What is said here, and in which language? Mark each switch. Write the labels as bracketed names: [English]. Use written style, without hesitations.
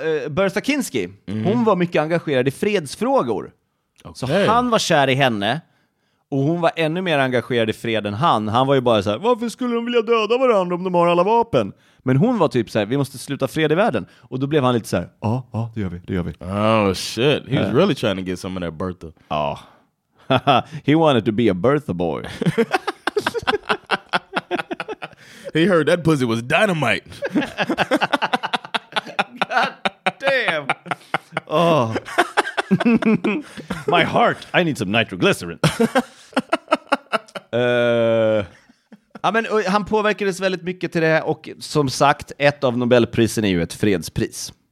[Swedish] Bertha Kinsky, hon var mycket engagerad i fredsfrågor. Okay. Så han var kär i henne. Och hon var ännu mer engagerad i fred än han. Han var ju bara så här, varför skulle de vilja döda varandra om de har alla vapen? Men hon var typ så här, vi måste sluta fred i världen. Och då blev han lite så här, ja, ja, det gör vi, det gör vi. [English] Oh shit, he was really trying to get some of that Bertha. [Swedish] Ja. Oh. [English] He wanted to be a Bertha boy. He heard that pussy was dynamite. God damn. Oh. My heart, I need some nitroglycerin. [Swedish] Ja, men han påverkades väldigt mycket till det här. Och som sagt, ett av Nobelprisen är ju ett fredspris.